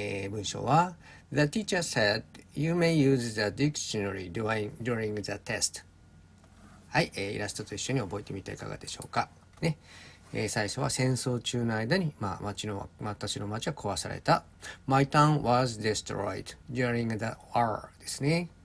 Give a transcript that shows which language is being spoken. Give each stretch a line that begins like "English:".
Japanese: 文章は
English: The teacher said you may use the dictionary during the test.
Japanese: はい、イラストと一緒に覚えてみていかがでしょうか。ね、最初は戦争中の間に、まあ、私の町は壊された。
English: My town was destroyed during the war ですね。